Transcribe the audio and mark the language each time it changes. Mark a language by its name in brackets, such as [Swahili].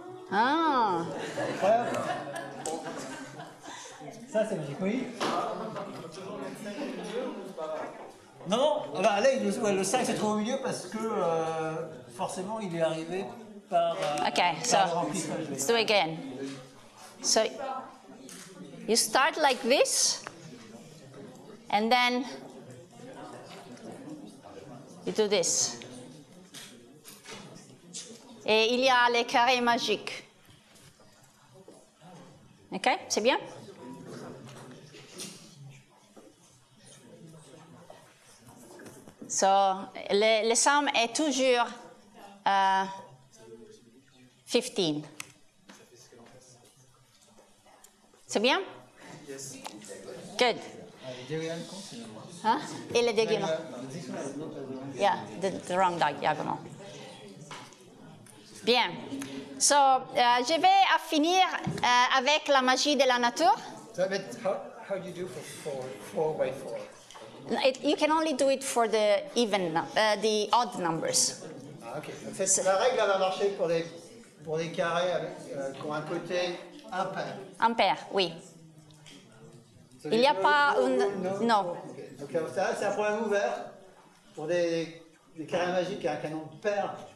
[French] Ah. Preuve. Ça, c'est magique, oui. Non, ah ben, là, le sac se trouve au milieu parce que forcément, il est arrivé par. [English] Ok, so. Let's do it again. So, you start like this, and then you do this. [French] Et il y a les carrés magiques. OK, c'est bien? So, le somme est toujours 15. C'est bien? [English] Yes. Good. [French] Hein? Et le diagonal. [English] Yeah, the wrong diagonal. [French] Bien. So, je vais à finir avec la magie de la nature. [English] So, but how do you do for 4 by 4? You can only do it for the even, the odd numbers. Ah, OK. [French] En fait, la règle va marcher pour les carrés avec pour un côté impair. Impair, oui. [English] So, [French] il n'y a pas un... [English] Non. No. Okay. [French] Donc, ça, c'est un problème ouvert pour des carrés magiques avec un nombre pair.